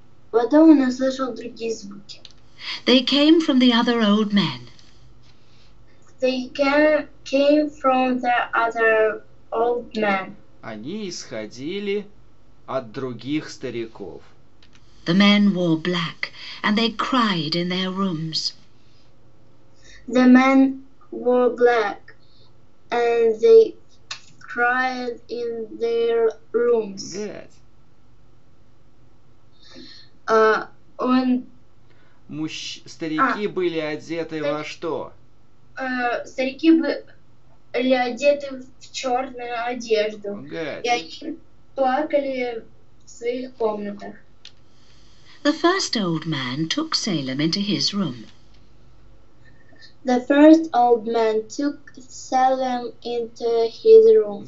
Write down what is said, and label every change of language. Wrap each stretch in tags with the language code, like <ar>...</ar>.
<ru>Потом он услышал другие звуки.</ru> <en>They came from the other old man. They came from the other old man.</en> <ru>Они исходили от других стариков.</ru> <en>The men wore black, and they cried in their rooms. The men wore black, and they cried in their rooms. Good.</en> <ru>Он... Старики были одеты во что? Старики были одеты в черную одежду.</ru> <en>Good.</en> <ru>И они плакали в своих комнатах.</ru> <en>The first old man took Salem into his room. The first old man took Salem into his room.</en>